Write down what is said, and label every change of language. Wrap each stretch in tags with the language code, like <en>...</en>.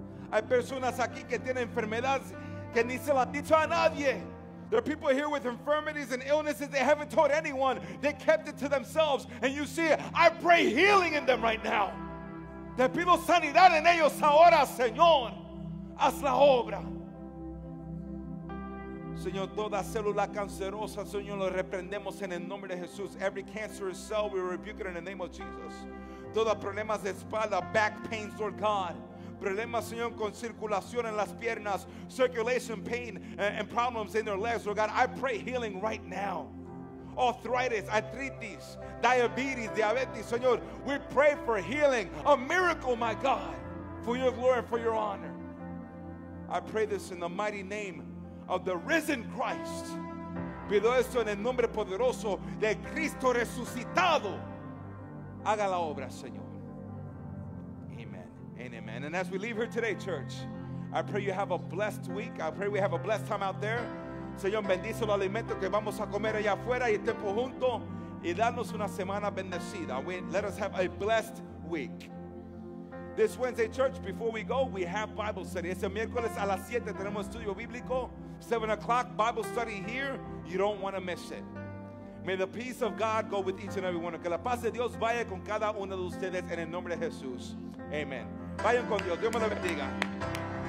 <es>Hay personas aquí que tienen enfermedades que ni se la han dicho a nadie.</es> <en>There are people here with infirmities and illnesses they haven't told anyone. They kept it to themselves. And you see, I pray healing in them right now.</en> <es>Te pido sanidad en ellos ahora, Señor. Haz la obra. Señor, toda célula cancerosa, Señor, lo reprendemos en el nombre de Jesús.</es> <en>Every cancerous cell, we rebuke it in the name of Jesus.</en> <es>Todos problemas de espalda,</es> <en>back pains, Lord God.</en> <es>Problemas, Señor, con circulación en las piernas,</es> <en>circulation pain and problems in their legs, Lord God. I pray healing right now.</en> <es>Arthritis, arthritis, diabetes, diabetes, Señor.</es> <en>We pray for healing, a miracle, my God, for your glory and for your honor. I pray this in the mighty name of the risen Christ.</en> <es>Pido esto en el nombre poderoso de Cristo resucitado. Haga la obra, Señor.</es> <en>Amen and amen. And as we leave here today, church, I pray you have a blessed week. I pray we have a blessed time out there.</en> <es>Señor, bendice los alimentos que vamos a comer allá afuera y el tiempo junto. Y danos una semana bendecida.</es> <en>Let us have a blessed week. This Wednesday, church, before we go, we have Bible study.</en> <es>Este miércoles a las 7 tenemos estudio bíblico.</es> <en>7 o'clock, Bible study here. You don't want to miss it. May the peace of God go with each and every one.</en> <es>Que la paz de Dios vaya con cada uno de ustedes en el nombre de Jesús. Amen. Vayan con Dios. Dios me lo bendiga.</es>